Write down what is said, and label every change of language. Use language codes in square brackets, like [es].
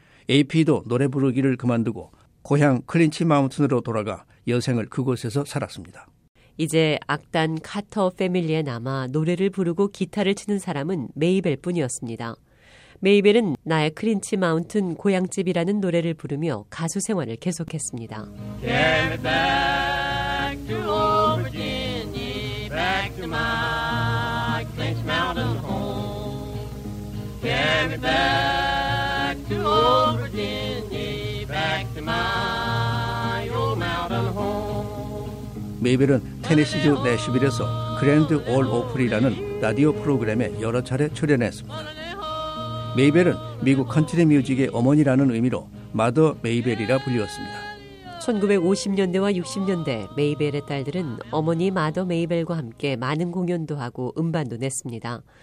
[ko] AP도 노래 부르기를 그만두고 고향 클린치 마운틴으로 돌아가 여생을 그곳에서 살았습니다. 이제 악단 카터 패밀리에 남아 노래를 부르고 기타를 치는 사람은 메이벨 뿐이었습니다. 메이벨은 나의 클린치 마운틴 고향집이라는 노래를 부르며 가수 생활을 계속했습니다. [en] Get back to old Virginia, back to my Clinch Mountain home. Get back to old Virginia, back to my old mountain home. [ko] 메이벨은 테네시주 내시빌에서 그랜드 올 오프리라는 라디오 프로그램에 여러 차례 출연했습니다. 메이벨은 미국 컨트리 뮤직의 어머니라는 의미로 마더 메이벨이라 불리웠습니다. 1950년대와 60년대 메이벨의 딸들은 어머니 마더 메이벨과 함께 많은 공연도 하고 음반도 냈습니다.